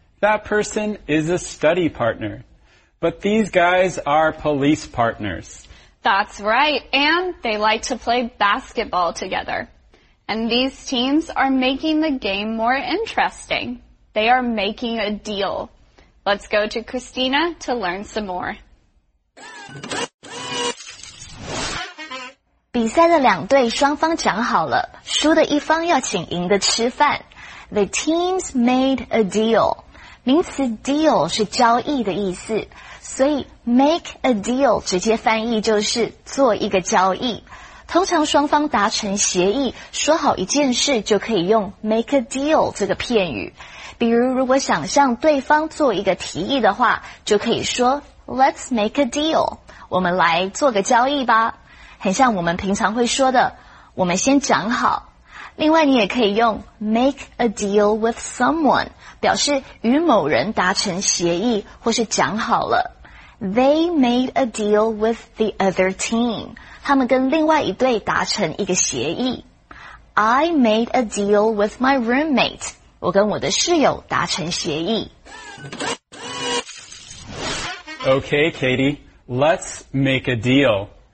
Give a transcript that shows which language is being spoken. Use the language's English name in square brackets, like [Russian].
[English] That person is a study partner. But these guys are police partners. That's right, and they like to play basketball together. And these teams are making the game more interesting. They are making a deal. Let's go to Christina to learn some more. [Chinese] 比赛的两队双方讲好了，输的一方要请赢的吃饭。 The teams made a deal. 名词 deal 是交易的意思，所以 [English] make a deal [Chinese] 直接翻译就是做一个交易。通常双方达成协议，说好一件事就可以用 [English] make a deal [Chinese] 这个片语。比如如果想向对方做一个提议的话，就可以说 [English] let's make a deal， [Chinese] 我们来做个交易吧。很像我们平常会说的我们先讲好。另外你也可以用 [English] make a deal with someone， [Chinese] 表示与某人达成协议或是讲好了。 [English] They made a deal with the other team， [Chinese] 他们跟另外一队达成一个协议。 [English] I made a deal with my roommate， [Chinese] 我跟我的室友达成协议。 [English] Okay Katie， let's make a deal。